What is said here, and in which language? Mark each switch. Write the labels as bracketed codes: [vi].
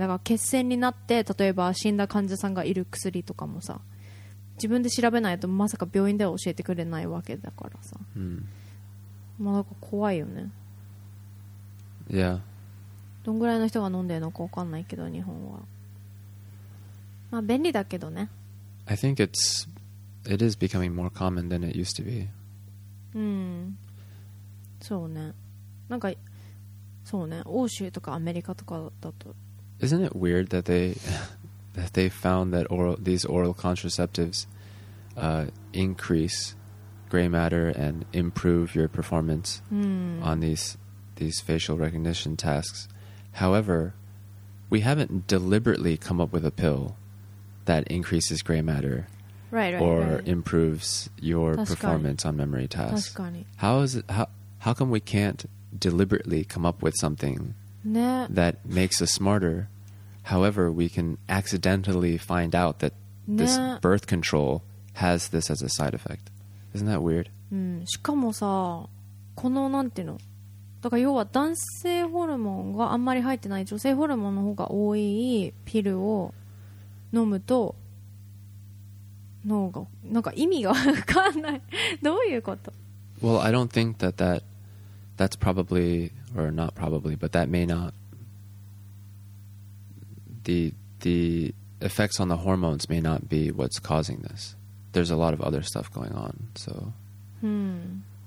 [ja] だから血栓になって例えば死んだ患者さんがいる薬とかもさ、自分で調べないとまさか病院では教えてくれないわけだからさ、うん、まあ、なんか怖いよね。いや、どんぐらいの人が飲んでるのかわかんないけど、日本はまあ便利だけどね。 [en] I think it is becoming more common than it used to be. [ja] うん、そうね。なんかそうね、欧州とかアメリカとかだと、 [en] Isn't it weird that they found that these oral contraceptives increase gray matter and improve your performance、 mm. on these facial recognition tasks? However, we haven't deliberately come up with a pill that increases gray matter. Right. Or right. improves your performance on memory tasks. [ja] 確かに。 [en] How come we can't deliberately come up with something、 [ja] ね、 [en] that makes us smarter? However, we can accidentally find out that、 [ja] ね、 [en] this birth control has this as a side effect. Isn't that weird? [ja] うん。しかもさ、このなんていうの、だから要は男性ホルモンがあんまり入ってない女性ホルモンの方が多いピルを飲むと脳がなんか意味が分かんない。どういうこと？ [en] Well, I don't think that's probably, or not probably, but that may not, the effects on the hormones may not be what's causing this. There's a lot of other stuff going on, so. Hmm.